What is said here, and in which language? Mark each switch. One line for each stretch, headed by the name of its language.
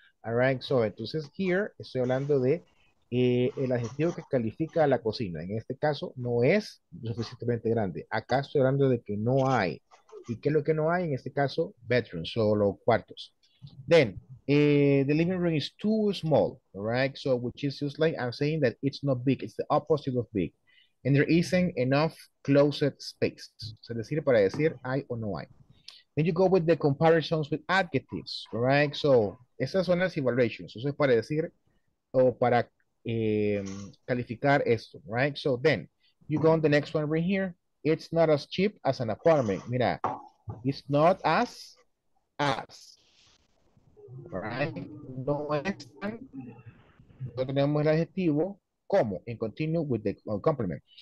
Spanish: All right, so, entonces, here, estoy hablando de el adjetivo que califica a la cocina. En este caso, no es suficientemente grande. Acá estoy hablando de que no hay. ¿Y qué es lo que no hay? En este caso, bedrooms, solo cuartos.
English: Then, the living room is too small, right? So, which is just like I'm saying that it's not big. It's the opposite of big. And there isn't enough closet space.
Spanish: So, decir para decir hay o no hay.
English: Then you go with the comparisons with adjectives, right?
Spanish: So, esas son las evaluations. Eso es para decir o para calificar esto, right?
English: So, then, you go on the next one right here. It's not as cheap as an apartment. Mira, it's not as.
Spanish: Right? No tenemos el adjetivo como and continue with the complement.